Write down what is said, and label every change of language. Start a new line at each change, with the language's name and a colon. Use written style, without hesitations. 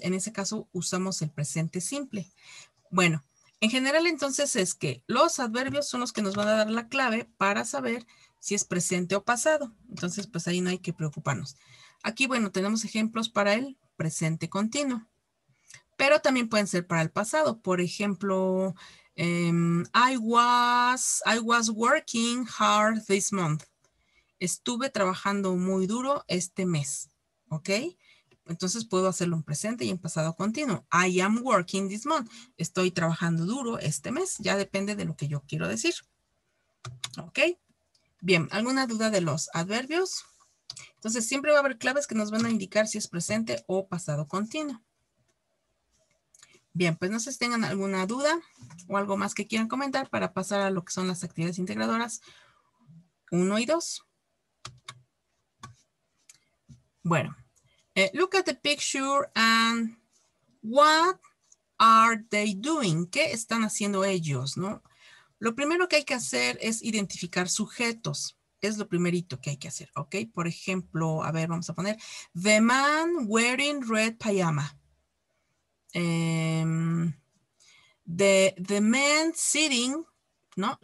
Spanish: En ese caso usamos el presente simple. Bueno, en general entonces es que los adverbios son los que nos van a dar la clave para saber si es presente o pasado. Entonces, pues ahí no hay que preocuparnos. Aquí, bueno, tenemos ejemplos para el presente continuo. Pero también pueden ser para el pasado. Por ejemplo,
English: I was working hard this month.
Spanish: Estuve trabajando muy duro este mes. ¿Ok? Entonces puedo hacerlo en presente y en pasado continuo.
English: I am working this month.
Spanish: Estoy trabajando duro este mes. Ya depende de lo que yo quiero decir. ¿Ok? Bien, ¿alguna duda de los adverbios? Entonces siempre va a haber claves que nos van a indicar si es presente o pasado continuo. Bien, pues no sé si tengan alguna duda o algo más que quieran comentar para pasar a lo que son las actividades integradoras 1 y 2.
English: Bueno, look at the picture and what are they doing?
Spanish: ¿Qué están haciendo ellos, no? Lo primero que hay que hacer es identificar sujetos. Es lo primerito que hay que hacer, ¿ok? Por ejemplo, a ver, vamos a poner
English: the man wearing red pajama. The men sitting, ¿no?